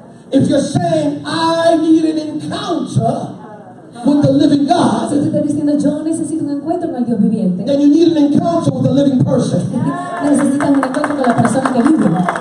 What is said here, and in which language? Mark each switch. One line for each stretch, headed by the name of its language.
English: If you're saying I need an encounter with the living God,
Spanish: si tú estás diciendo yo necesito un encuentro con el Dios viviente,
English: then you need an encounter with the living person.
Spanish: Necesitas un encuentro con la persona que vive.